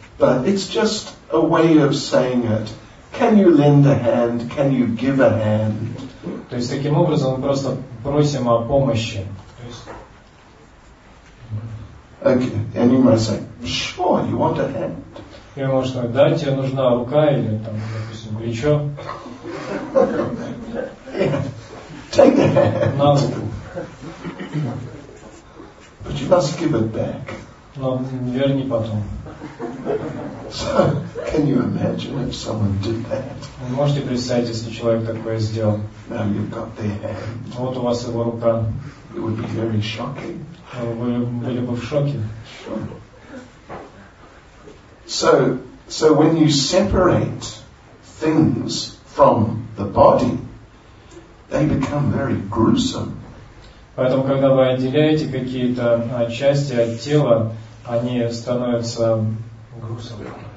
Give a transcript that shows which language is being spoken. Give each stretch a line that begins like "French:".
English: But it's just a way of saying it. Can you lend a hand? Can you give a hand?
Russian: То есть таким образом мы просто просим о помощи.
English: Okay, and you might say, sure, you want a hand.
Russian: Я могу сказать, да, тебе нужна рука или там, допустим, плечо.
English: Take the hand.
Russian: На руку.
English: But you must give it back.
Russian: Но верни потом.
English: So, can you imagine if someone did that?
Russian: Вы можете представить, если человек такое сделал?
English: Now you've got the hand.
Russian: Вот у вас его рука.
English: It would be very shocking.
Russian: Вы были бы в шоке.
English: So when you separate things from the body, they become very gruesome.
Russian: Поэтому, когда вы отделяете какие-то части от тела, они становятся грустными.